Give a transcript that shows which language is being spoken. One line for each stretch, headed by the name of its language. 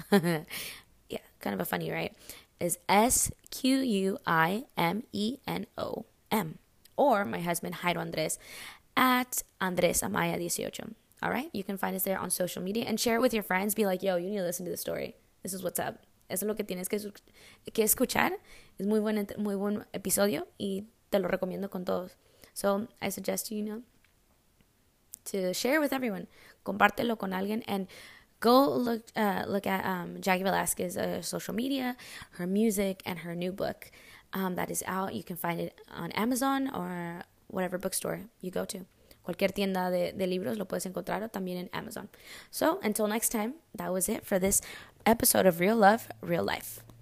English: Yeah, kind of a funny, right? Is Squeemenom, or my husband Jairo Andres at Andres Amaya 18. All right, you can find us there on social media and share it with your friends. Be like, yo, you need to listen to the story. This is what's up.
Spanish: Eso es lo que tienes que escuchar. Es muy buen episodio y te lo recomiendo con todos.
English: So I suggest you know to share with everyone.
Spanish: Compártelo con alguien
English: and go look at Jackie Velasquez's social media, her music, and her new book that is out. You can find it on Amazon or whatever bookstore you go to.
Spanish: Cualquier tienda de libros lo puedes encontrar o también en Amazon.
English: So, until next time, that was it for this episode of Real Love, Real Life.